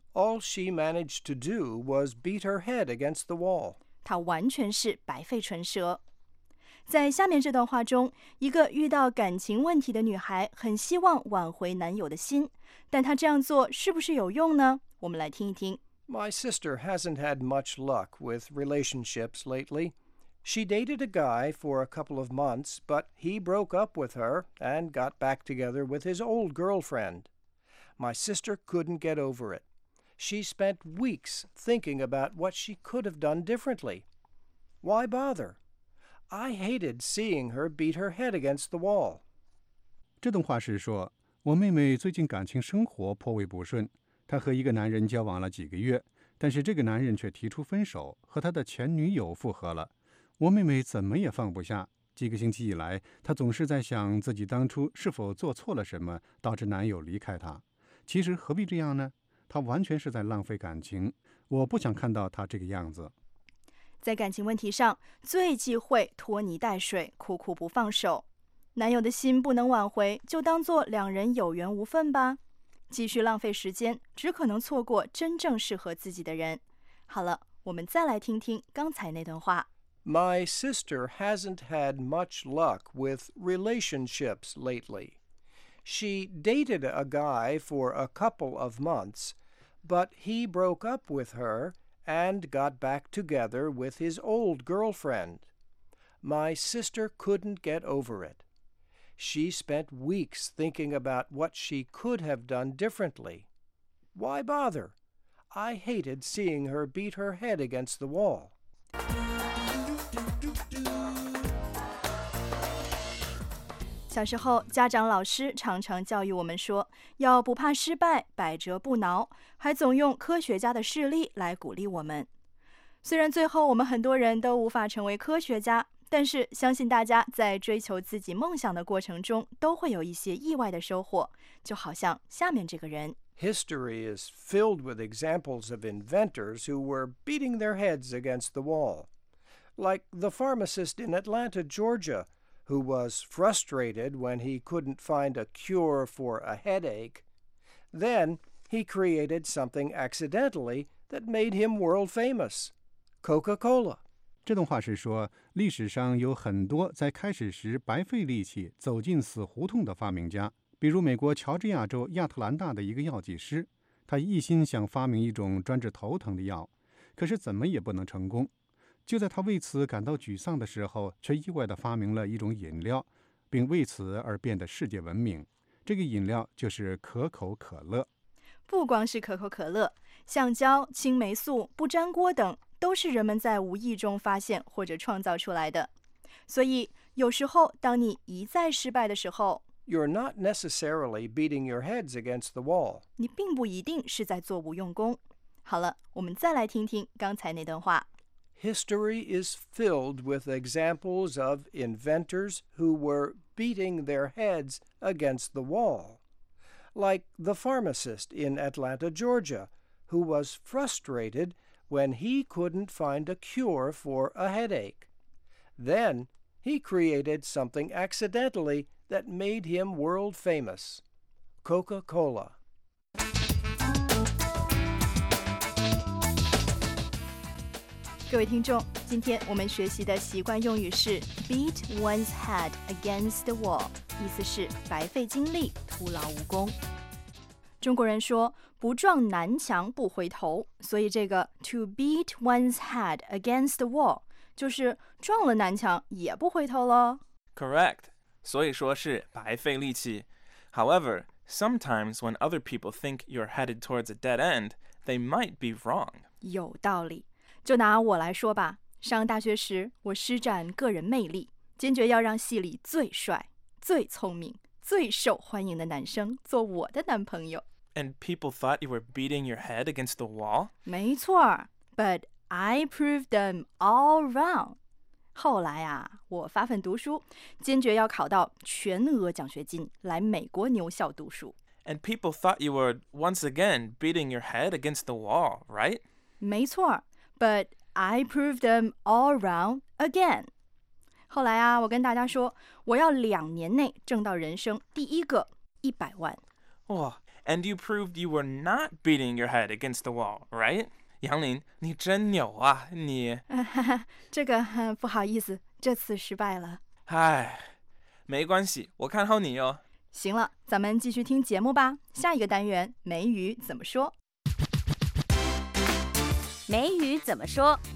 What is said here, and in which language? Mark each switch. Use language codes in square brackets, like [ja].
[en] All she managed to do was beat her head against the wall. [zh] 她完全是白费唇舌。在下面这段话中，一个遇到感情问题的女孩很希望挽回男友的心，但她这样做是不是有用呢？我们来听一听。 [en] My sister hasn't had much luck with relationships lately. She dated a guy for a couple of months, but he broke up with her and got back together with his old girlfriend. My sister couldn't get over it. She spent weeks thinking about what she could have done differently. Why bother? I hated seeing her beat her head against the wall. [zh] 这段话是说，我妹妹最近感情生活颇为不顺，她和一个男人交往了几个月，但是这个男人却提出分手，和他的前女友复合了。我妹妹怎么也放不下，几个星期以来，她总是在想自己当初是否做错了什么，导致男友离开她。其实何必这样呢？她完全是在浪费感情，我不想看到她这个样子。在感情问题上，最忌讳拖泥带水，苦苦不放手。男友的心不能挽回，就当作两人有缘无分吧。继续浪费时间，只可能错过真正适合自己的人。好了，我们再来听听刚才那段话。 [en] My sister hasn't had much luck with relationships lately. She dated a guy for a couple of months, but he broke up with her and got back together with his old girlfriend. My sister couldn't get over it. She spent weeks thinking about what she could have done differently. Why bother? I hated seeing her beat her head against the wall. [zh] 小时候，家长老师常常教育我们说，要不怕失败，百折不挠，还总用科学家的事例来鼓励我们。虽然最后我们很多人都无法成为科学家，但是相信大家在追求自己梦想的过程中都会有一些意外的收获，就好像下面这个人。 [en] History is filled with examples of inventors who were beating their heads against the wall. Like the pharmacist in Atlanta, Georgia, who was frustrated when he couldn't find a cure for a headache. Then he created something accidentally that made him world famous. Coca-Cola. [zh] 这段话是说，历史上有很多在开始时白费力气走进死胡同的发明家，比如美国乔治亚州亚特兰大的一个药剂师，他一心想发明一种专治头疼的药，可是怎么也不能成功。就在他为此感到沮丧的时候，却意外地发明了一种饮料，并为此而变得世界闻名。这个饮料就是可口可乐。不光是可口可乐，橡胶、青霉素、不粘锅等都是人们在无意中发现或者创造出来的。所以，有时候当你一再失败的时候， [en] You're not necessarily beating your heads against the wall. [zh] 你并不一定是在做无用功。好了，我们再来听听刚才那段话。 [en] History is filled with examples of inventors who were beating their heads against the wall. Like the pharmacist in Atlanta, Georgia, who was frustrated when he couldn't find a cure for a headache. Then, he created something accidentally that made him world famous. Coca-Cola. [zh] 各位听众，今天我们学习的习惯用语是 [en] beat one's head against the wall, [zh] 意思是白费精力，徒劳无功。中国人说不撞南墙不回头，所以这个 [en] to beat one's head against the wall [zh] 就是撞了南墙也不回头了。 [en] Correct, [zh] 所以说是白费力气。 [en] However, sometimes when other people think you're headed towards a dead end, they might be wrong. [zh] 有道理。就拿我来说吧，上大学时我施展个人魅力，坚决要让系里最帅、最聪明、最受欢迎的男生做我的男朋友。 [en] And people thought you were beating your head against the wall? [zh] 没错 [en] but I proved them all wrong. [zh] 后来啊，我发奋读书，坚决要考到全额奖学金，来美国牛校读书。 [en] And people thought you were once again beating your head against the wall, right? [zh] 没错 [en] but I proved them all wrong again. [zh] 后来啊，我跟大家说，我要两年内挣到人生第一个100万。哇。 [en] And you proved you were not beating your head against the wall, right? [zh] 杨林，你真牛啊，你。这个，不好意思，这次失败了。唉，没关系，我看好你哦。行了，咱们继续听节目吧。下一个单元，美语怎么说？美语怎么说？